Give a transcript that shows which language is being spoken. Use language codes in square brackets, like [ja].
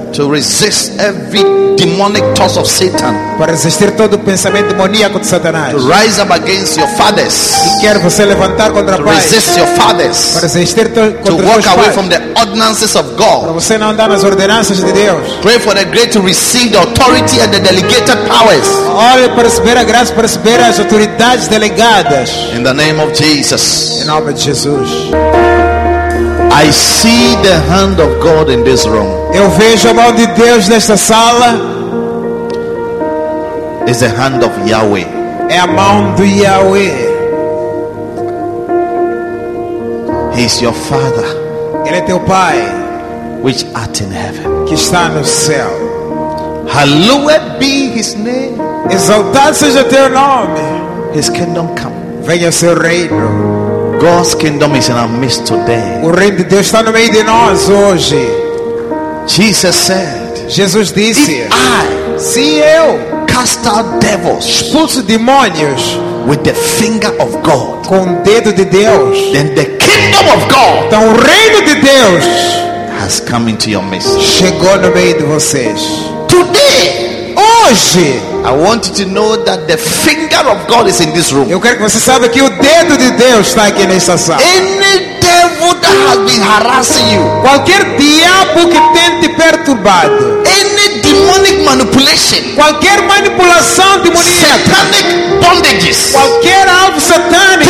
[en] To resist every demonic thoughts of Satan. [pt] Para resistir todo o pensamento demoníaco de Satanás. [en] To rise up against your fathers. [pt] E quer você levantar contra [en] to [pt] pais. [en] Resist your fathers. [pt] Para resistir contra [en] to walk [pt] seus [en] away [pt] pais. [en] From the ordinances of God. [pt] Para você não andar nas ordenanças de Deus. [en] Pray for the grace to receive the authority and the delegated powers. [pt] Ore para receber a graça para receber as autoridades delegadas. [en] In the name of Jesus. [pt] Em nome de Jesus. [en] I see the hand of God in this room. [pt] Eu vejo a mão de Deus nesta sala. [en] It's the hand of Yahweh. [pt] É a mão do Yahweh. [en] He is your Father. [pt] Ele é teu Pai. [en] Which art in heaven. [pt] Que está no céu. [en] Hallowed be His name. [pt] Exaltado seja teu nome. [en] His kingdom come. [pt] Venha seu reino. [en] God's kingdom is in our midst today. [pt] O reino de Deus está no meio de nós hoje. [en] Jesus said. [pt] Jesus disse. [en] If I, [pt] se eu, [en] cast out devils, [pt] expulso demônios, [en] with the finger of God, [pt] com o dedo de Deus, [en] then the kingdom of God, [pt] então o reino de Deus, [en] has come into your midst. [pt] Chegou no meio de vocês. [en] Today, [pt] hoje. [en] I want you to know that the finger of God is in this room. [pt] Eu quero que você saiba que o dedo de Deus está aqui nessa sala. [en] Any devil that has been harassing you. [pt] Qualquer diabo que tem te perturbado. [en] Any demonic manipulation. [pt] Qualquer manipulação demoníaca. [en] Satanic bondages. [pt] Qualquer algo satânico.